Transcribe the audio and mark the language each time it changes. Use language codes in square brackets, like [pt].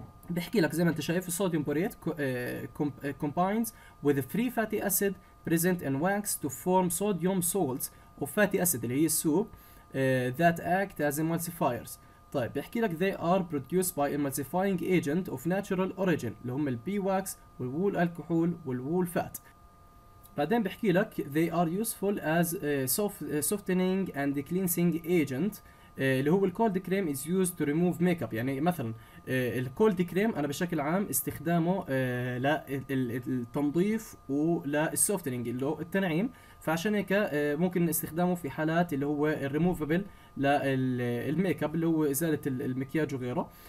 [ar] بحكي لك زي ما انت شايف [en] الصوديوم borate combines with free fatty acid present in wax to form sodium salts وفاتي acid [ar] اللي هي [en] السوب that act as emulsifiers. [ar] طيب بيحكي لك [en] they are produced by emulsifying agent of natural origin [ar] اللي هم البي واكس والوول الكحول والوول فات. بعدين بيحكي لك [en] they are useful as softening and cleansing agent [ar] اللي هو [en] الكولد cream is used to remove makeup. [ar] يعني مثلا الكولد كريم انا بشكل عام استخدامه للتنظيف وللسوفتنينج اللي هو التنعيم، فعشان هيك ممكن استخدامه في حالات اللي هو الريموفابل للميك اب اللي هو ازاله المكياج وغيره.